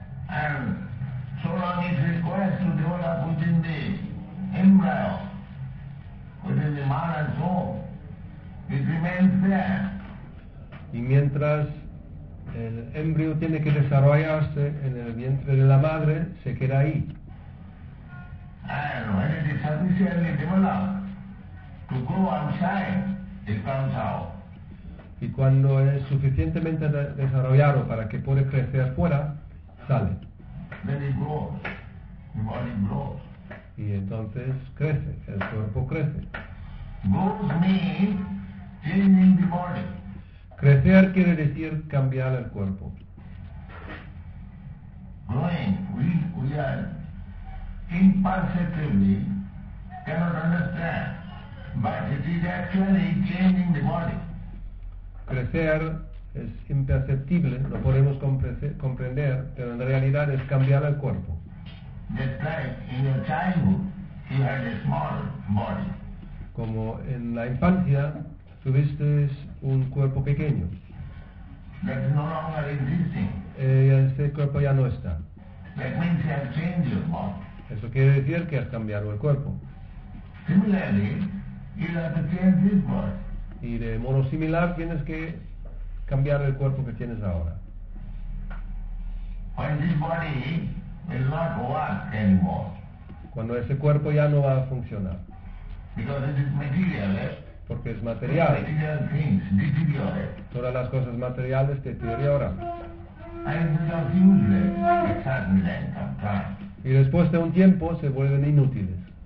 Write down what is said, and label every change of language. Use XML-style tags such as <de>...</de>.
<en>And so long is required to develop within the embryo, within the mother and soul, it remains there.</en> <es>Y mientras el embrión tiene que desarrollarse en el vientre de la madre, se queda ahí.</es> <en>And when it is sufficiently developed to grow outside, it comes out.</en> <es>Y cuando es suficientemente desarrollado para que pueda crecer fuera, sale.</es> <en>Then it grows. The body grows.</en> <es>Y entonces crece, el cuerpo crece.</es> <en>Grows means changing the body.</en> <es>Crecer quiere decir cambiar el cuerpo.</es> <en>Growing, we are imperceptibly cannot understand, but it is actually changing the body.</en> <es>Crecer es imperceptible, no podemos comprender, pero en realidad es cambiar el cuerpo.</es> <en>Just like in your childhood, you had a small body.</en> <es>Como en la infancia, tuviste un cuerpo pequeño.</es> <en>That is no longer existing.</en> <es>Ese cuerpo ya no está.</es> <en>That means you have changed your body.</en> <es>Eso quiere decir que has cambiado el cuerpo.</es> <en>Similarly, you have to change this body.</en> <es>Y de modo similar tienes que cambiar el cuerpo que tienes ahora.</es> <en>When this body will not work anymore.</en> <es>Cuando ese cuerpo ya no va a funcionar.</es> <en>Because it is material,</en> <es>porque es material.</es> <en>Material things deteriorate.</en> <es>Todas las cosas materiales deterioran.</es> <en>And it becomes useless at certain length of time.</en> <es>Y después de un tiempo se vuelven inútiles.</es>